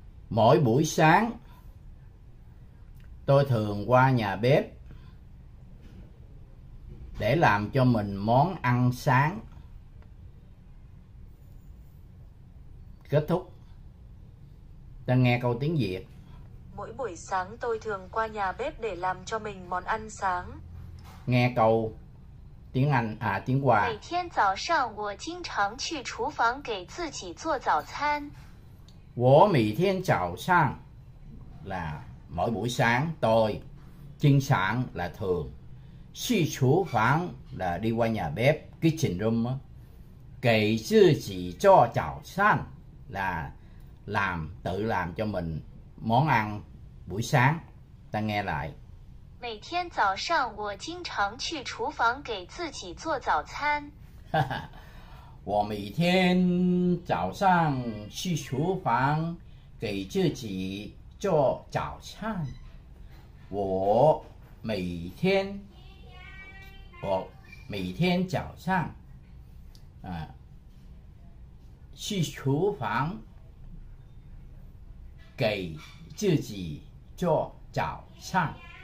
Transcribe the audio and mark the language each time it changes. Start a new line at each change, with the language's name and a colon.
Vietnamese: Mỗi buổi sáng, tôi thường qua nhà bếp để làm cho mình món ăn sáng. Kết thúc. Đang nghe câu tiếng Việt. Mỗi buổi sáng tôi thường qua nhà bếp để làm cho mình món ăn sáng. Nghe câu tiếng Anh, à tiếng Hoa.
Chinese: Mỗi thiên早上我经常去厨房给自己做早餐。我每天早上
Vietnamese: là mỗi buổi sáng tôi, chính sản là thường, xì chú phán là đi qua nhà bếp, kitchen room, kể sư chỉ cho chào sáng là làm, tự làm cho mình món ăn buổi sáng. Ta nghe lại.
Chinese: Mỗi thiên早上我经常去厨房给自己做早餐。我每天早上去厨房给自己做早餐。我每天，我每天早上，啊，去厨房给自己做早餐。